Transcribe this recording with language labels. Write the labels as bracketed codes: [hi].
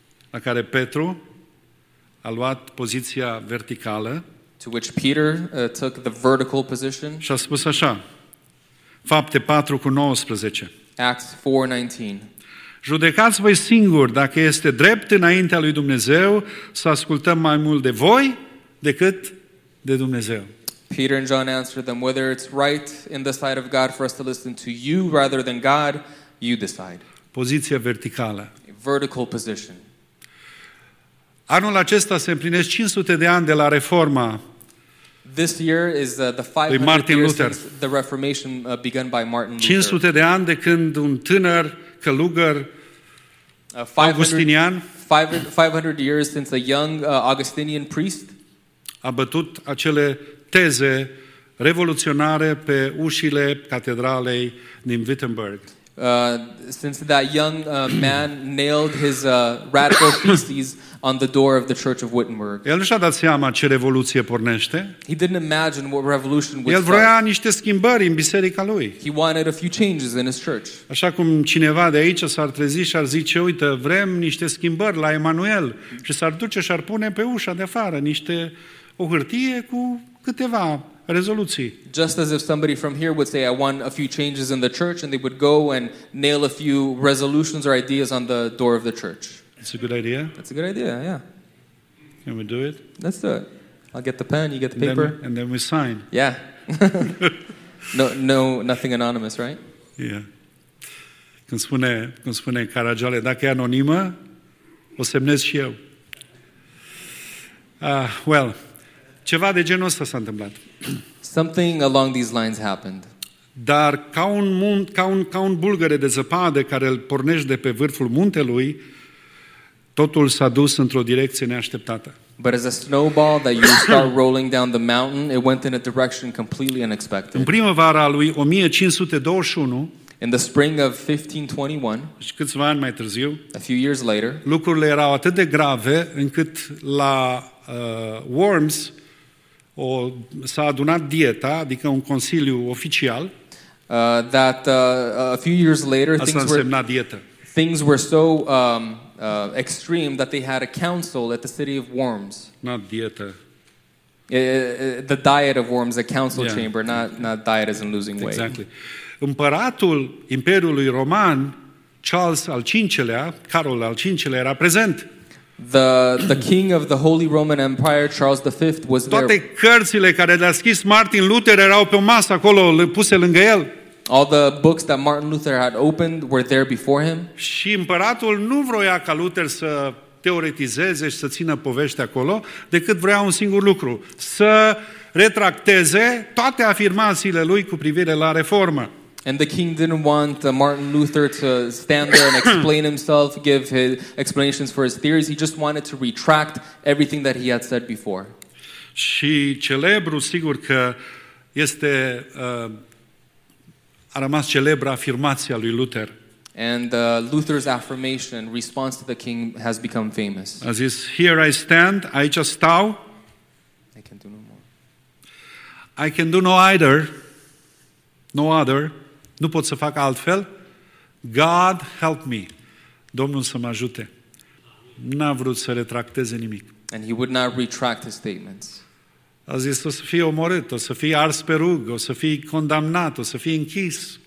[ro] La care Petru a luat poziția verticală. [en] To which Peter took the vertical position. [ro] Și a spus așa. Fapte 4:19. [en] Acts 4:19. [ro] Judecați voi singuri dacă este drept înaintea lui Dumnezeu să ascultăm mai mult de voi decât de Dumnezeu. [en] Peter and John answered them, whether it's right in the sight of God for us to listen to you rather than God, you decide. [ro] Poziția verticală. [en] A vertical position. [ro] Anul acesta se împlinesc 500 de ani de la reforma. [en] This year is the 500th the Reformation begun by Martin Luther. [ro] 500 de ani de când un tânăr călugăr augustinian [en] 500 years since a young Augustinian priest [ro] a bătut acele teze revoluționare pe ușile catedralei din Wittenberg. [en] Since that young man nailed his radical theses on the door of the Church of Wittenberg. [ro] El nu și-a dat seama ce revoluție pornește. [en] He didn't imagine what revolution would start. [ro] El vrea niște schimbări în biserica lui. [en] He wanted a few changes in his church. [ro] Așa cum cineva de aici s-ar trezi și ar zice, uite, vrem niște schimbări la Emanuel. Și s-ar duce și-ar pune pe ușa de afară niște, o hârtie cu câteva rezoluții. [en] Just as if somebody from here would say, I want a few changes in the church, and they would go and nail a few resolutions or ideas on the door of the church. That's a good idea. That's a good idea, yeah. Can we do it? Let's do it. I'll get the pen, you get the paper. And then we sign. Yeah. nothing anonymous, right? Yeah. [ro] Când spune Caragiale, dacă e anonimă, o semnez și eu. Well, ceva de genul ăsta s-a întâmplat. [en] Something along these lines happened. [ro] Dar ca un bulgăre de zăpadă care îl pornește de pe vârful muntelui, totul s-a dus într-o direcție neașteptată. [en] But as a snowball that you start rolling down the mountain, it went in a direction completely unexpected. [ro] În primăvara lui 1521, [en] in the spring of 1521, [ro] și câțiva ani mai târziu, [en] a few years later, [ro] lucrurile erau atât de grave încât la Worms s-a adunat dieta, adică un consiliu oficial. [en] A few years later, things were so extreme that they had a council at the city of Worms. Not dieta. The diet of Worms, a council chamber, not diet as in losing weight. Exactly. [ro] Împăratul Imperiului Roman, Carol al V-lea, era prezent. [en] The king of the Holy Roman Empire, Charles V, was there. [ro] Toate cărțile care le-a scris Martin Luther erau pe masă acolo, puse lângă el. [en] All the books that Martin Luther had opened were there before him. [ro] Și împăratul nu vroia ca Luther să teoretizeze și să țină povești acolo, decât vrea un singur lucru, să retracteze toate afirmațiile lui cu privire la reformă. [en] And the king didn't want Martin Luther to stand there and explain himself, give his explanations for his theories. He just wanted to retract everything that he had said before. [ro] Și celebru, sigur că este a rămas celebră afirmația lui Luther. [en] And Luther's affirmation in response to the king has become famous. [ro] A zis, [en] here I stand, [ro] aici stau. [en] I can do no more. I can do no other. [ro] Nu pot să fac altfel. [en] God help me. [ro] Domnul să mă ajute. N-a vrut să retracteze nimic. [en] And he would not retract his statements. [ro] A zis, o să fie omorât, o să fie ars pe rug, o să fie condamnat, o să fie închis.